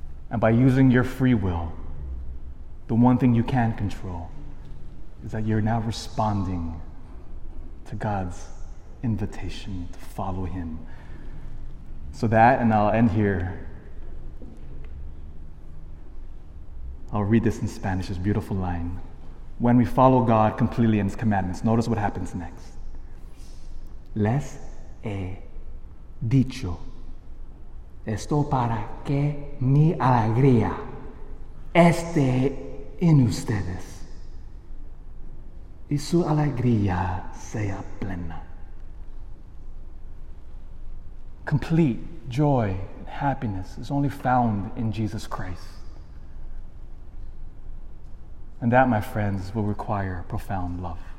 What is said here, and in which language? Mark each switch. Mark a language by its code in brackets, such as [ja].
[en] And by using your free will, the one thing you can control is that you're now responding to God's invitation to follow him. So that, and I'll end here. I'll read this in Spanish, this beautiful line. When we follow God completely in his commandments, notice what happens next. [es] Les he dicho esto para que mi alegría esté en ustedes y su alegría sea plena. [en] Complete joy and happiness is only found in Jesus Christ. And that, my friends, will require profound love.